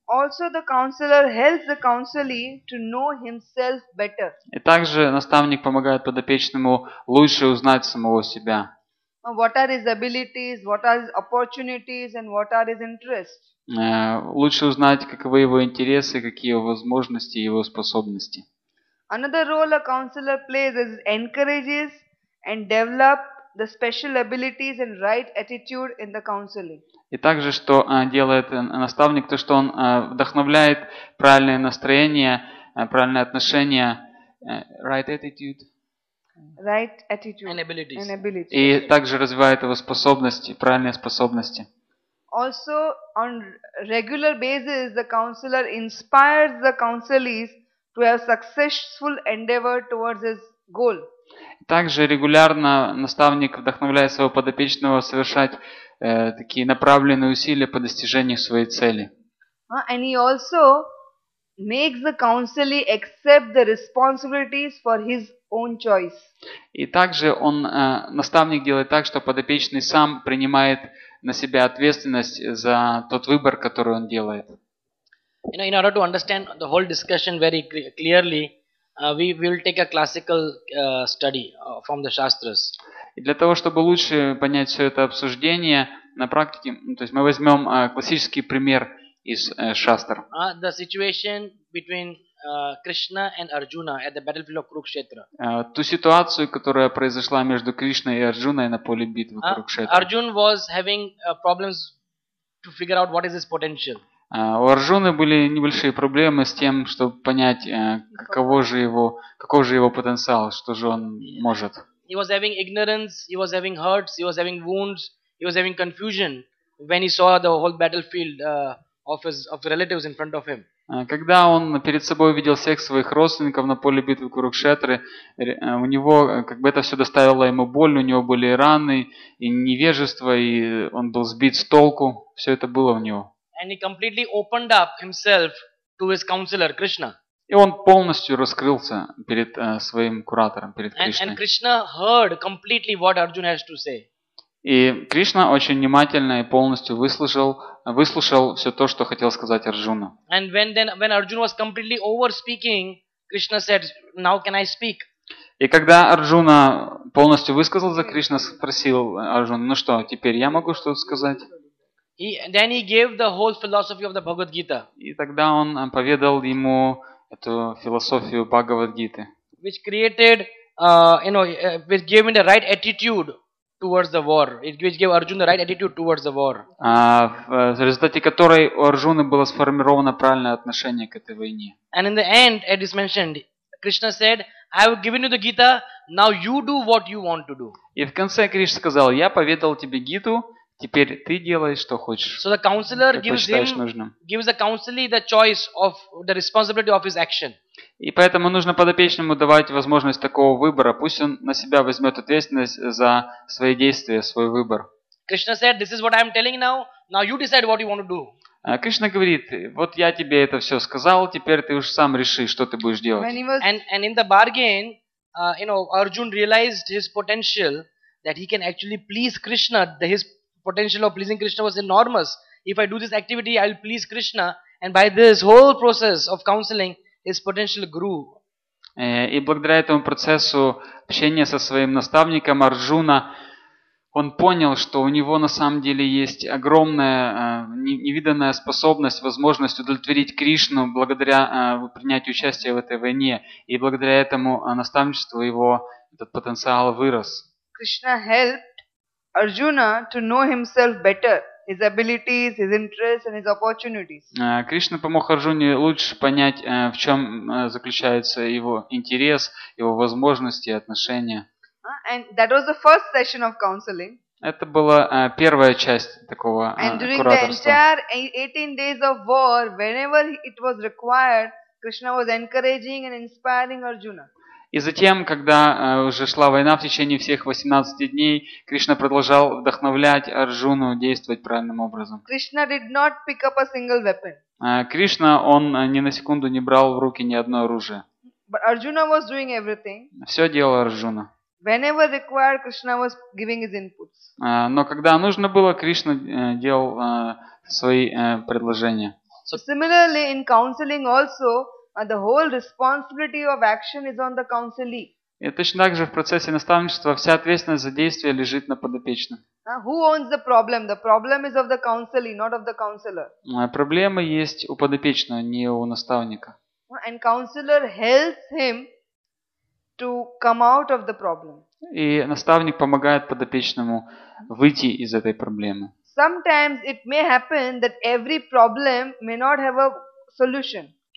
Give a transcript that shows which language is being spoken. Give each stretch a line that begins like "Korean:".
English: Also, the counselor helps the counselee to know himself better.
Russian: И также наставник помогает подопечному лучше узнать самого себя.
English: What are his abilities, what are his opportunities, and what are his interests?
Russian: Лучше узнать, каковы его интересы, какие его возможности, его способности.
English: Another role a counselor plays is encourages and develop the special abilities and right attitude in the counseling.
Russian: И также, что делает наставник, то, что он вдохновляет правильное настроение, правильное отношение,
English: right attitude. Right attitude and abilities. And abilities.
Russian: И также развивает его способности, правильные способности.
English: Also, on regular basis, the counselor inspires the counselees to have successful endeavor towards his goal.
Russian: Также регулярно наставник вдохновляет своего подопечного совершать такие направленные усилия по достижению своей цели.
English: And he also makes the counselee accept the responsibilities for his own choice.
Russian: И также он наставник делает так, что подопечный сам принимает на себя ответственность за тот выбор, который он делает.
English: You know, in order to understand the whole discussion very clearly, we will take a classical study from the Shastras.
Russian: И для того, чтобы лучше понять все это обсуждение на практике, то есть мы возьмем классический пример из Шастр.
English: The situation between Krishna and Arjuna at the battlefield of Kurukshetra.
Russian: Ту ситуацию, которая произошла между Кришной и Арджуной на поле битвы Курукшетра.
English: Arjun was having problems to figure out what is his potential.
Russian: У Арджуны были небольшие проблемы с тем, чтобы понять, каков же его потенциал, что же он может.
English: He was having ignorance, he was having hurts, he was having wounds, he was having confusion when he saw the whole battlefield of relatives in front of him.
Russian: Когда он перед собой видел всех своих родственников на поле битвы Курукшетры, у него как бы это все доставило ему боль, у него были и раны, и невежество, и он был сбит с толку, все это было в него.
English: And he completely opened up himself to his counselor Krishna.
Russian: И он полностью раскрылся перед своим куратором, перед Кришной.
English: And Krishna heard completely what Arjuna has to say.
Russian: И Кришна очень внимательно и полностью выслушал все то, что хотел сказать Арджуна.
English: And when Arjuna was completely over speaking, Krishna said, "Now can I speak?"
Russian: И когда Арджуна полностью высказал за Кришна, спросил Арджуна: "Ну что, теперь я могу что-то сказать?"
English: Then he gave the whole philosophy of the Bhagavad Gita.
Russian: И тогда он поведал ему эту философию Бхагавад Гиты.
English: Which created, which gave him the right attitude towards the war. Which gave Arjuna the right attitude towards the war.
Russian: В результате которой у Арджуны было сформировано правильное отношение к этой войне.
English: And in the end, as is mentioned, Krishna said, "I have given you the Gita. Now you do what you want to do."
Russian: И в конце Кришна сказал: "Я поведал тебе Гиту. Теперь ты делай, что хочешь."
English: So the counselor gives the counselee the choice of the responsibility of his action.
Russian: И поэтому нужно подопечному давать возможность такого выбора. Пусть он на себя возьмет ответственность за свои действия, свой выбор.
English: Krishna said, "This is what I am telling now. Now you decide what you want to do."
Russian: Кришна говорит: "Вот я тебе это все сказал. Теперь ты уж сам реши, что ты будешь делать."
English: And in the bargain, Arjun realized his potential that he can actually please Krishna. Potential of pleasing Krishna was enormous. If I do this activity, I'll please Krishna, and by this whole process of counseling, his potential grew.
Russian: И благодаря этому процессу общения со своим наставником Арджуна, он понял, что у него на самом деле есть огромная невиданная способность, возможность удовлетворить Кришну благодаря принятию участия в этой войне, и благодаря этому наставничеству его этот потенциал вырос.
English: Krishna helped Arjuna to know himself better, his abilities, his interests, and his opportunities.
Russian: Кришна помог Арджуне лучше понять, в чем заключается его интерес, его возможности, отношения.
English: And that was the first session of counseling.
Russian: Это была первая часть такого кураторства.
English: And during the entire 18 days of war, whenever it was required, Krishna was encouraging and inspiring Arjuna.
Russian: И затем, когда уже шла война в течение всех 18 дней, Кришна продолжал вдохновлять Арджуну действовать правильным образом.
English: Krishna did not pick up a single weapon.
Russian: Кришна, он ни на секунду не брал в руки ни одно оружие.
English: But Arjuna was doing everything.
Russian: Все делал Арджуна.
English: Whenever required, Krishna was giving his inputs.
Russian: Но когда нужно было, Кришна делал свои предложения.
English: So, similarly, in counseling also, the whole responsibility of action is on the counselee.
Russian: И точно так же в процессе наставничества вся ответственность за действие лежит на подопечном.
English: Who owns the problem? The problem is of the counselee, not of the counselor.
Russian: Проблема есть у подопечного, не у наставника.
English: And counselor helps him to come out of the problem.
Russian: И наставник помогает подопечному выйти из этой проблемы.
English: sometimes it may happen that every problem may not have a solution.